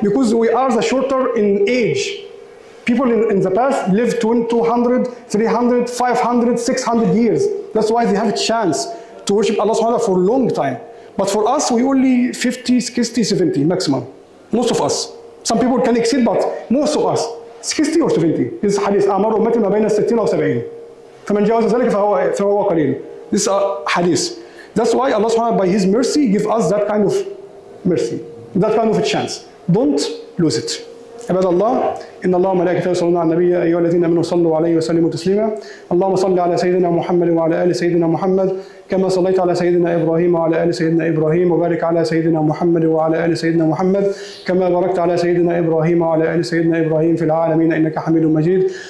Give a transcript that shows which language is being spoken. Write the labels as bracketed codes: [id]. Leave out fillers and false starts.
[en] Because we are the shorter in age. People in the past lived 200, 300, 500, 600 years. That's why they have a chance to worship Allah subhanahu wa ta'ala for a long time. But for us, we only 50, 60, 70 maximum. Most of us. Some people can exceed, but most of us. 60 or 70. This hadith, [ar] أَمَرُ أُمَّتِ مَا بَيْنَ 60 وَسَبْعِينَ فَمَنْ جَوَزَ ذَلَكَ فَهُوَ قَلِيلٌ [en] This is a hadith. That's why Allah subhanahu wa ta'ala, by His mercy, give us that kind of mercy, that kind of a chance. Don't lose it. [ar] عباد الله إن الله وملائكته يصلون على النبي أيها الذين آمنوا صلوا عليه وسلموا تسليما اللهم صل على سيدنا محمد وعلى آل سيدنا محمد كما صليت على سيدنا إبراهيم وعلى آل سيدنا إبراهيم وبارك على سيدنا محمد وعلى آل سيدنا محمد كما باركت على سيدنا إبراهيم وعلى آل سيدنا إبراهيم في العالمين إنك حميد مجيد